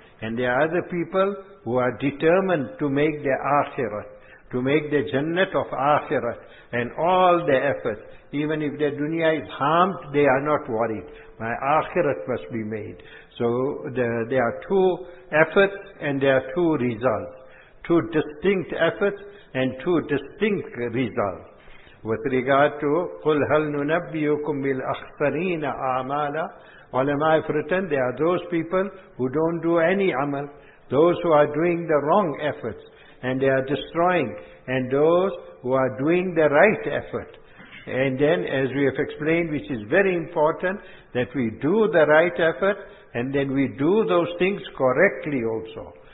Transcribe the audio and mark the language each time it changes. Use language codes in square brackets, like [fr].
[en] And there are other people who are determined to make their akhirat, to make their jannat of akhirat, and all their efforts. Even if their dunya is harmed, they are not worried. My akhirat must be made. So there are two efforts and there are two results. Two distinct efforts and two distinct results. With regard to [ar] قُلْ هَلْ نُنَبِّيُكُمْ بِالْأَخْسَرِينَ أَعْمَالًا. [en] Ulama have written, there are those people who don't do any amal, those who are doing the wrong efforts and they are destroying, and those who are doing the right effort. And then, as we have explained, which is very important, that we do the right effort and then we do those things correctly also.